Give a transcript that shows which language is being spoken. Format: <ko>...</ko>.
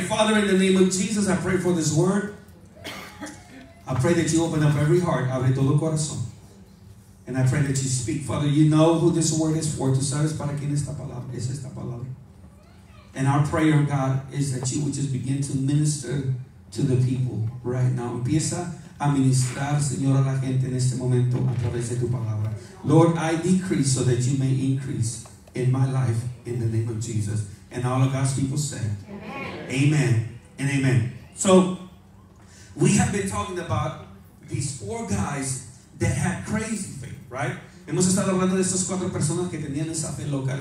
<en>Father, in the name of Jesus, I pray for this word. I pray that you open up every heart.</en> <es>Abre todo corazón.</es> <en>And I pray that you speak. Father, you know who this word is for.</en> <es>Tú sabes para quién esta palabra es esta palabra.</es> <en>And our prayer, God, is that you would just begin to minister to the people right now.</en> <es>Empieza a ministrar, Señor, a la gente en este momento a través de tu palabra.</es> <en>Lord, I decrease so that you may increase in my life in the name of Jesus. And all of God's people say, amen. Amen and amen. So, we have been talking about these four guys that had crazy faith, right?</en> <es>Hemos estado hablando de estas cuatro personas que tenían esa fe loca.</es>